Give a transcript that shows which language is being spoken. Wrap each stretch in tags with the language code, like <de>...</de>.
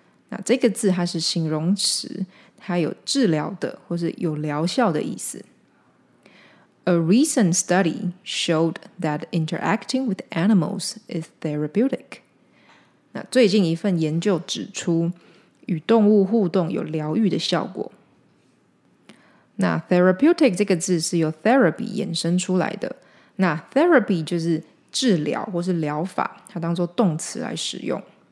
<zh>那这个字它是形容词，它有治疗的或是有疗效的意思。</zh> <en>A recent study showed that interacting with animals is therapeutic.</en> <zh>那最近一份研究指出，与动物互动有疗愈的效果。那 therapeutic 这个字是由 therapy 衍生出来的。那 therapy 就是治疗或是疗法，它当作动词来使用。</zh>